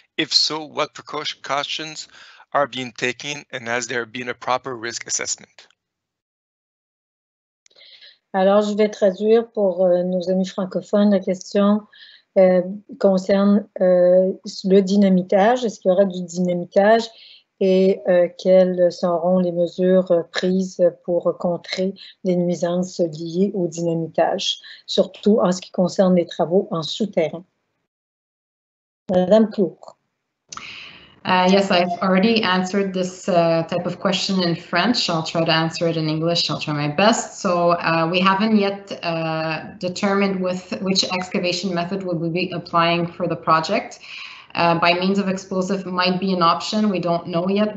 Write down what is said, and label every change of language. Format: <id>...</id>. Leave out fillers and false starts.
<en>If so, what precautions are being taken and has there been a proper risk assessment?</en> <fr>Alors, je vais traduire pour nos amis francophones. La question concerne le dynamitage. Est-ce qu'il y aura du dynamitage et quelles seront les mesures prises pour contrer les nuisances liées au dynamitage, surtout en ce qui concerne les travaux en souterrain? Madame Clour.</fr> <en>Yes, I've already answered this type of question in French. I'll try to answer it in English. I'll try my best. So we haven't yet determined with which excavation method we will be applying for the project. By means of explosive might be an option. We don't know yet.</en>